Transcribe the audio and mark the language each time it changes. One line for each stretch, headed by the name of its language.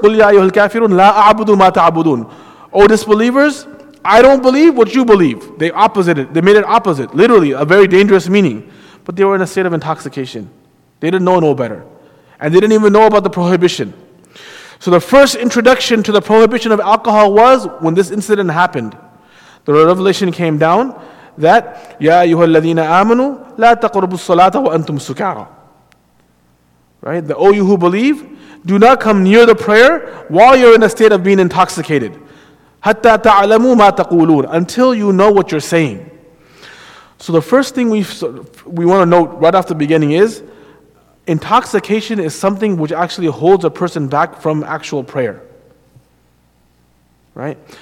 Arabic: "Qul Ya Ayyuhal Kafirun, La A'budu Ma Ta'budun."
English: Oh, disbelievers, I don't believe what you believe. They opposited. They made it opposite. Literally, a very dangerous meaning. But they were in a state of intoxication. They didn't know no better. And they didn't even know about the prohibition. So the first introduction to the prohibition of alcohol was when this incident happened. The revelation came down that,
Arabic: يَا أَيُّهَا الَّذِينَ آمَنُوا لَا تَقْرَبُوا الصَّلَاةَ وَأَنْتُمْ سُكَارَى.
English: Right? The you who believe, do not come near the prayer while you're in a state of being intoxicated.
Arabic: Hatta ta'alamu ma taqulun,
English: until you know what you're saying. So the first thing we want to note right off the beginning is, intoxication is something which actually holds a person back from actual prayer. Right?